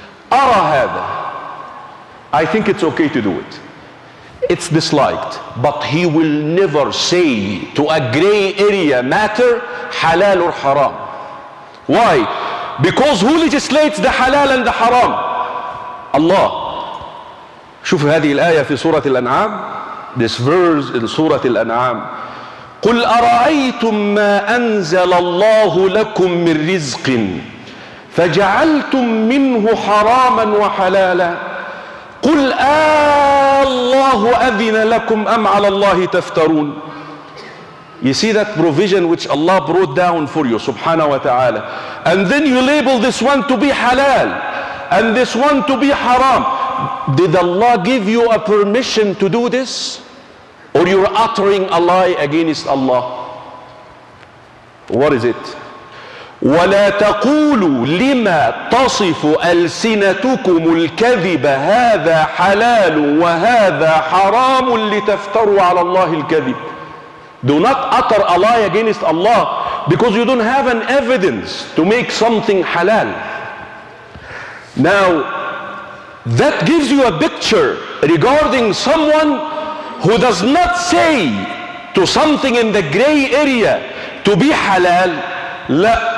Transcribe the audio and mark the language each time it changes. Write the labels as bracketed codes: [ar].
[en] Ara hadha, I think it's okay to do it. It's disliked, but he will never say to a gray area matter halal or haram. Why? Because who legislates the halal and the haram? Allah. [ar] شوف هذه الآية في سورة الأنعام. [en] This verse in سورة الأنعام. [ar] قل أرأيتم ما أنزل الله لكم من رزق فجعلتم منه حراما وحلالا قل الله أذن لكم أم على الله تفترون. [en] You see that provision which Allah brought down for you subhanahu wa ta'ala, and then you label this one to be halal and this one to be haram. Did Allah give you a permission to do this, or you're uttering a lie against Allah? What is it? [ar] ولا تقولوا لما تصف ألسنتكم الكذب هذا حلال وهذا حرام لتفتروا على الله الكذب. [en] Do not utter a lie against Allah because you don't have an evidence to make something halal. Now, that gives you a picture regarding someone who does not say to something in the gray area to be halal. [ar] لا,